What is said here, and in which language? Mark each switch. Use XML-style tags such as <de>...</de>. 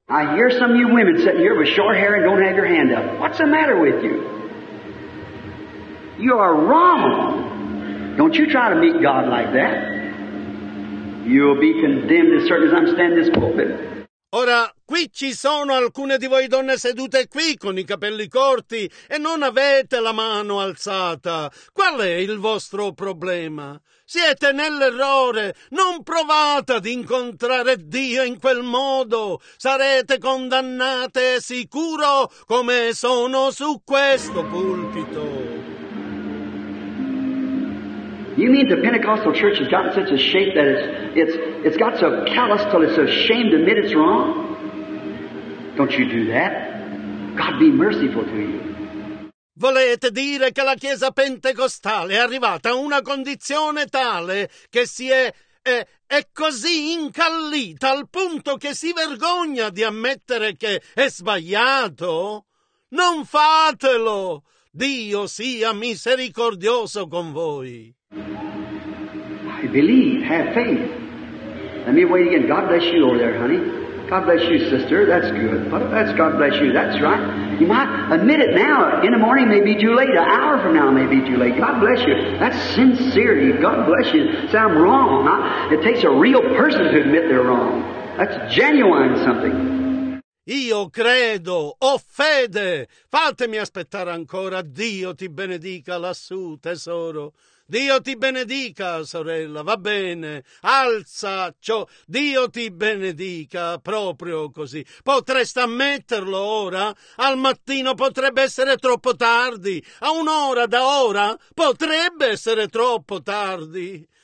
<en>I hear some of you women sitting here with short hair and don't have your hand up. What's the matter with you? You are wrong. Don't you try to meet God like that. You'll be condemned as certain as I'm standing this pulpit.</en> <it>Ora, qui ci sono alcune di voi donne sedute qui con i capelli corti e non avete la mano alzata. Qual è il vostro problema? Siete nell'errore. Non provate ad incontrare Dio in quel modo. Sarete condannate sicuro come sono su questo pulpito.</it> <en>You mean the Pentecostal church has gotten such a shape that it's got so callous till it's ashamed to admit it's wrong? Don't you do that. God be merciful to you.</en> <it>Volete dire che la Chiesa Pentecostale è arrivata a una condizione tale che si è così incallita al punto che si vergogna di ammettere che è sbagliato? Non fatelo! Dio sia misericordioso con voi.</it> <en>I believe, have faith. Let me wait again. God bless you over there, honey. God bless you, sister. That's good. That's God bless you. That's right. You might admit it now. In the morning may be too late. An hour from now may be too late. God bless you. That's sincerity. God bless you. Say, I'm wrong. It takes a real person to admit they're wrong. That's genuine something.</en> <it>Io credo, ho fede. Fatemi aspettare ancora. Dio ti benedica lassù, tesoro. Dio ti benedica, sorella, va bene, alza ciò, Dio ti benedica, proprio così. Potresti ammetterlo ora? Al mattino potrebbe essere troppo tardi, a un'ora da ora potrebbe essere troppo tardi.</it>